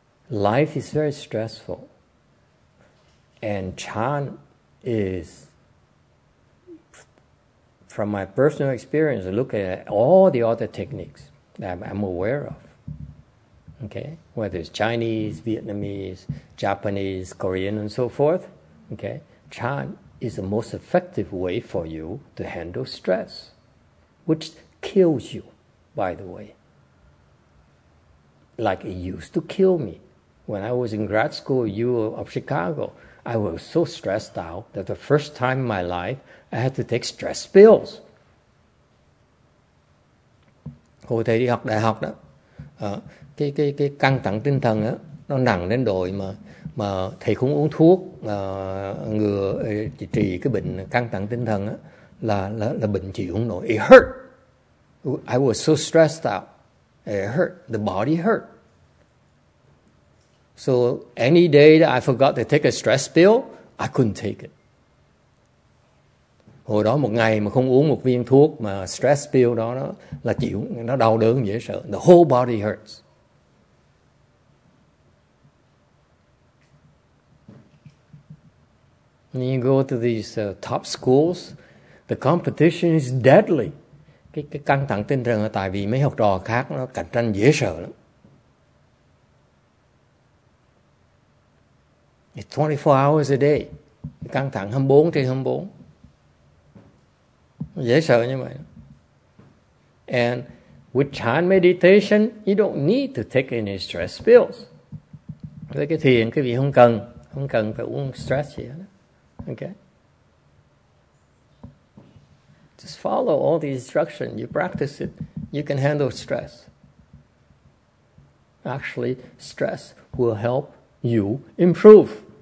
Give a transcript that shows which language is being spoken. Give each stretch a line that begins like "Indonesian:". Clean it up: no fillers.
English: Life is very stressful. And chan is, from my personal experience, looking at all the other techniques that I'm aware of, okay, whether it's Chinese, Vietnamese, Japanese, Korean, and so forth, okay, chan is the most effective way for you to handle stress, which kills you, by the way. Like it used to kill me. When I was in grad school at U of Chicago, I was so stressed out that the first time in my life, I had to take stress pills.
Vietnamese: Hồi thầy đi học đại học đó, cái căng thẳng tinh thần á, nó nặng đến đội mà thầy không uống thuốc ngừa trị cái bệnh căng thẳng tinh thần á, là bệnh chịu không nổi.
English: It hurt. I was so stressed out. It hurt. The body hurt. So any day that I forgot to take a stress pill, I couldn't take it.
Vietnamese: Hồi đó một ngày mà không uống một viên thuốc mà stress pill đó, đó là chịu, nó đau đớn dễ sợ.
English: The whole body hurts. When you go to these top schools, the competition is deadly.
Vietnamese: Cái căng thẳng tinh thần là tại vì mấy học trò khác nó cạnh tranh dễ sợ lắm.
English: It's 24 hours a day.
Vietnamese: Căng thẳng 24/24. Dễ sợ như vậy.
English: And with chan meditation, you don't need to take any stress pills.
Vietnamese: Với cái thiền, quý vị không cần phải uống stress gì hết. Okay.
English: Just follow all the instruction. You practice it, you can handle stress. Actually, stress will help you improve.